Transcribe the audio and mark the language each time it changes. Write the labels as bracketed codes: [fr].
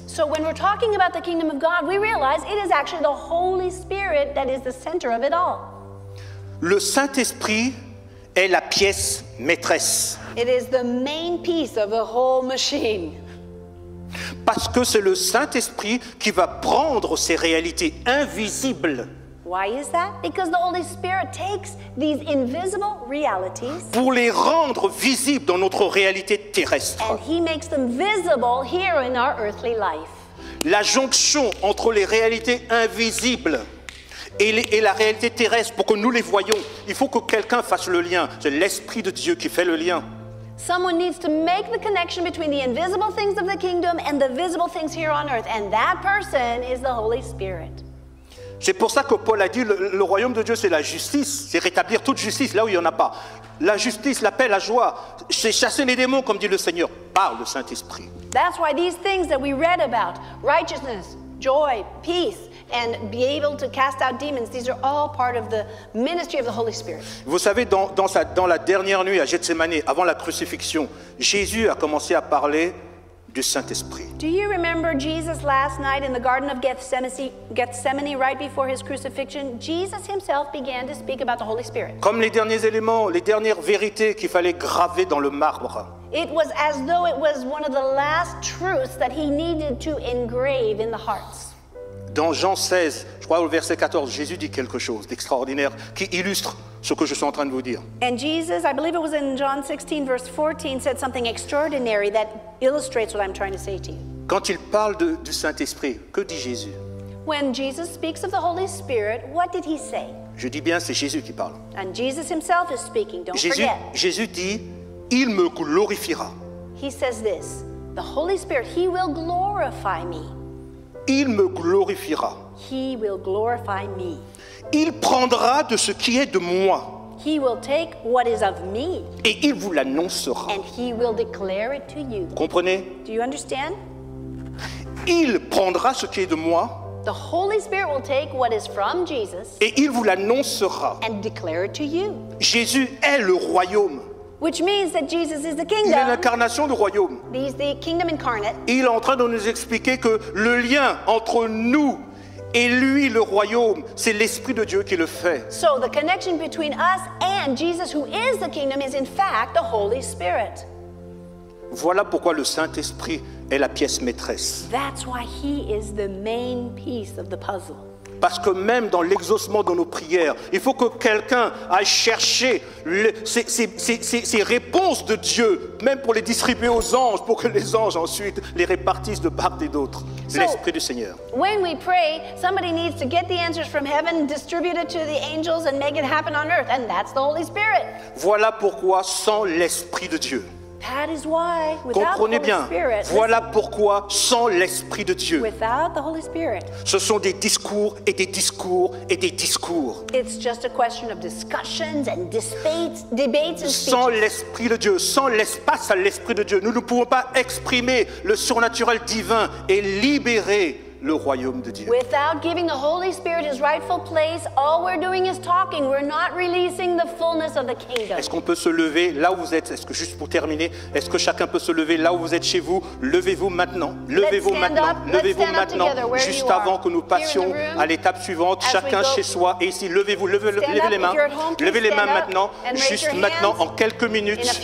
[en] So when we're talking about the kingdom of God, we realize it is actually the Holy Spirit that is the center of it all. [fr] Le Saint-Esprit est la pièce maîtresse. [en] It is the main piece of the whole machine. [fr] Parce que c'est le Saint-Esprit qui va prendre ces réalités invisibles. [en] Why is that? Because the Holy Spirit takes these invisible realities [fr] pour les rendre visibles dans notre réalité terrestre. [en] And he makes them visible here in our earthly life. [fr] La jonction entre les réalités invisibles et la réalité terrestre pour que nous les voyons, il faut que quelqu'un fasse le lien. C'est l'Esprit de Dieu qui fait le lien. [en] Someone needs to make the connection between the invisible things of the kingdom and the visible things here on earth, and that person is the Holy Spirit. [fr] C'est pour ça que Paul a dit le royaume de Dieu c'est la justice, c'est rétablir toute justice là où il n'y en a pas. La justice, la paix, la joie, c'est chasser les démons comme dit le Seigneur par le Saint-Esprit. [en] That's why these things that we read about, righteousness, joy, peace, and be able to cast out demons, these are all part of the ministry of the Holy Spirit. [fr] Vous savez, dans la dernière nuit à Gethsémané, avant la crucifixion, Jésus a commencé à parler du Saint-Esprit. [en] Do you remember Jesus last night in the Garden of Gethsemane, right before his crucifixion? Jesus himself began to speak about the Holy Spirit. [fr] Comme les derniers éléments, les dernières vérités qu'il fallait graver dans le marbre. [en] It was as though it was one of the last truths that he needed to engrave in the hearts. [fr] Dans Jean 16, je crois au verset 14, Jésus dit quelque chose d'extraordinaire qui illustre ce que je suis en train de vous dire. [en] And Jesus, I believe it was in John 16, verse 14, said something extraordinary that illustrates what I'm trying to say to you. [fr] Quand il parle du Saint-Esprit, que dit Jésus? [en] When Jesus speaks of the Holy Spirit, what did he say? [fr] Je dis bien, c'est Jésus qui parle. [en] And Jesus himself is speaking, don't [fr] Jésus, [en] forget. [fr] Jésus dit, il me glorifiera. [en] He says this, the Holy Spirit, he will glorify me. [fr] Il me glorifiera. [en] He will glorify me. [fr] Il prendra de ce qui est de moi. [en] He will take what is of me. [fr] Et il vous l'annoncera. [en] And he will declare it to you. [fr] Comprenez? [en] Do you understand? [fr] Il prendra ce qui est de moi. [en] The Holy Spirit will take what is from Jesus. [fr] Et il vous l'annoncera. [en] And declare it to you. [fr] Jésus est le royaume. [en] Which means that Jesus is the kingdom. [fr] Il est l'incarnation du royaume. [en] He is the kingdom incarnate. [fr] Il est en train de nous expliquer que le lien entre nous Et lui, le royaume, c'est l'Esprit de Dieu qui le fait. [en] So the connection between us and Jesus, who is the kingdom, is in fact the Holy Spirit. [fr] Voilà pourquoi le Saint-Esprit est la pièce maîtresse. [en] That's why he is the main piece of the puzzle. [fr] Parce que même dans l'exaucement de nos prières, il faut que quelqu'un aille chercher ces réponses de Dieu, même pour les distribuer aux anges, pour que les anges ensuite les répartissent de part et d'autre. [en] So, [fr] l'Esprit du Seigneur. [en] When we pray, somebody needs to get the answers from heaven, distribute it to the angels and make it happen on earth, and that's the Holy Spirit. [fr] Voilà pourquoi sans l'Esprit de Dieu. [en] That is why, without [fr] comprenez bien, [en] Spirit, [fr] voilà pourquoi sans l'Esprit de Dieu, [en] without the Holy Spirit, [fr] ce sont des discours et des discours et des discours. [en] It's just a question of discussions and debates and speeches. [fr] Sans l'Esprit de Dieu, sans l'espace à l'Esprit de Dieu, nous ne pouvons pas exprimer le surnaturel divin et libérer le royaume de Dieu. [en] Without giving the Holy Spirit his rightful place, all we're doing is talking. We're not releasing the fullness of the kingdom. [fr] Est-ce qu'on peut se lever là où vous êtes? Est-ce que juste pour terminer, est-ce que chacun peut se lever là où vous êtes chez vous? Levez-vous maintenant. Levez-vous maintenant. Levez-vous maintenant. Juste avant que nous passions à l'étape suivante, chacun chez soi et ici, levez-vous, levez les mains. Levez les mains maintenant, juste maintenant en quelques minutes.